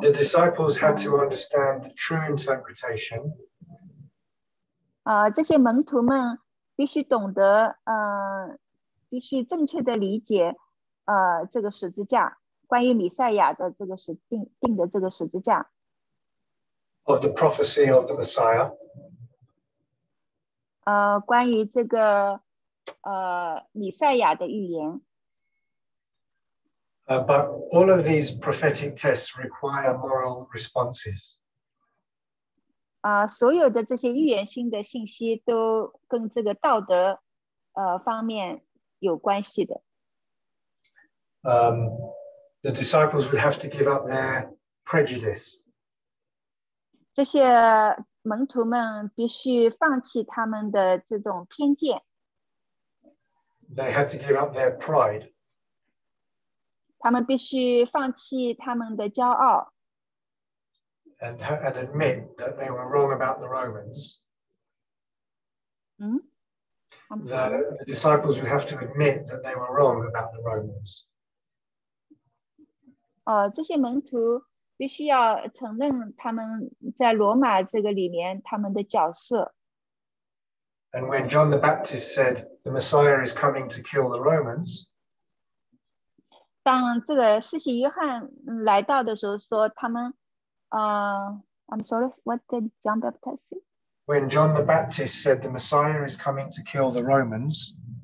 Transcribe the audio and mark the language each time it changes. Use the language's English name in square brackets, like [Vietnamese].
[English] The disciples had to understand the true interpretation. [Chinese] 这些门徒们必须懂得, 必须正确的理解, 这个十字架, 关于弥赛亚的这个十字架。 [English] Of the prophecy of the Messiah. [Chinese] 关于这个, 弥赛亚的预言。 [English] But all of these prophetic tests require moral responses. [Chinese] 所有的这些预言性的信息都跟这个道德方面有关系的。 [English] The disciples would have to give up their prejudice. [Chinese] 这些门徒们必须放弃他们的这种偏见。 [English] They had to give up their pride. [Chinese] 他们必须放弃他们的骄傲。 [English] And admit that they were wrong about the Romans. The disciples would have to admit that they were wrong about the Romans. [Chinese] 这些门徒必须要承认他们在罗马这个里面他们的角色。 [English] And when John the Baptist said the Messiah is coming to kill the Romans, [Chinese] 当这个施洗约翰来到的时候说他们。 [English] I'm sorry, what did John Baptist say? When John the Baptist said the Messiah is coming to kill the Romans,